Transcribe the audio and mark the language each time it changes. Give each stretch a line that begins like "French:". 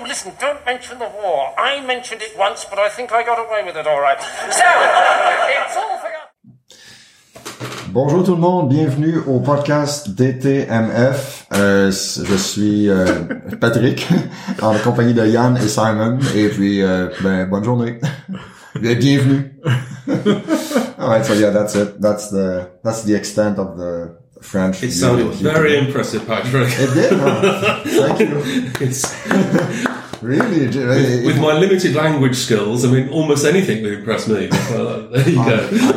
English: listen, don't mention the war. I mentioned it once, but I think I got away with it all right. So, it's all
French: Bonjour tout le monde, bienvenue au podcast DTMF. Je suis Patrick, en compagnie de Yann et Simon, et puis bonne journée. Bienvenue.
English: All right, so yeah, that's the extent of the French. It sounded very impressive, Patrick. It did, huh? Thank you. Really? With my limited language skills, I mean, almost anything would impress me. There you go.